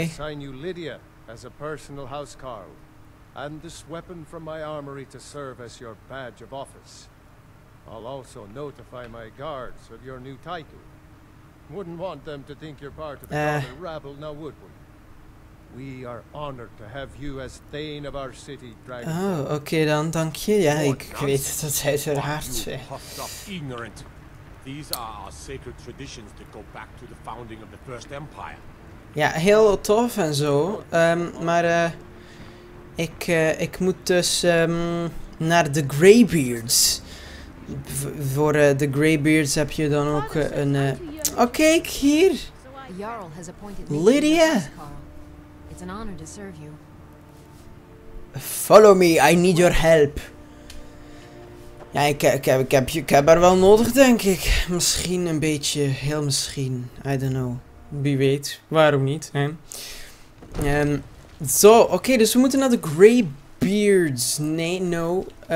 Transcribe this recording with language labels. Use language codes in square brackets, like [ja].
[en] I assign you Lydia as a personal housecarl. And this weapon from my armory to serve as your badge of office. I'll also notify my guards of your new title. Wouldn't want them to think you're part of the rabble, now would we? We are honored to have you as Thane of our city, Dragon. Oh, okay then, thank you. [nl] Yeah, ik weet het uit haar hart. [en] Puffed up, ignorant. These are our sacred traditions that go back to the founding of the First Empire. [nl] Ja, heel tof en zo, maar Ik moet dus naar de Greybeards. Voor de Greybeards heb je dan ook een... kijk hier! Lydia! [en] It's an honor to serve you. Follow me, I need your help. [nl] Ja, ik heb haar wel nodig, denk ik. Misschien een beetje, heel misschien. [en] I don't know. [nl] Wie weet, waarom niet, hè? Zo, oké, dus we moeten naar de Greybeards. Nee, no.